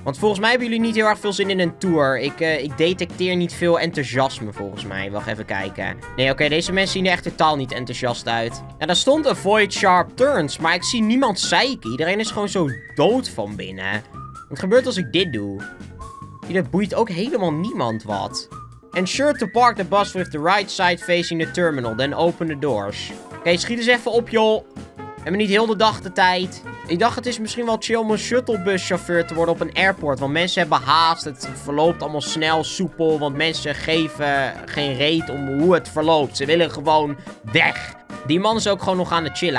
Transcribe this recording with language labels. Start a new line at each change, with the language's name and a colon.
Dutch: Want volgens mij hebben jullie niet heel erg veel zin in een tour. Ik detecteer niet veel enthousiasme volgens mij. Wacht even kijken. Nee, oké, okay, deze mensen zien er echt totaal niet enthousiast uit. Ja, daar stond
English: avoid sharp turns.
Dutch: Maar ik zie niemand zeiken. Iedereen is gewoon zo dood van binnen. Wat gebeurt als ik dit doe? Dat boeit ook helemaal niemand wat.
English: Ensure to park the bus with the right side facing the terminal. Then open the doors.
Dutch: Oké, okay, schiet eens even op, joh. Hebben niet heel de dag de tijd. Ik dacht, het is misschien wel chill om een shuttlebuschauffeur te worden op een airport. Want mensen hebben haast. Het verloopt allemaal snel, soepel. Want mensen geven geen reet om hoe het verloopt. Ze willen gewoon weg. Die man is ook gewoon nog aan het chillen.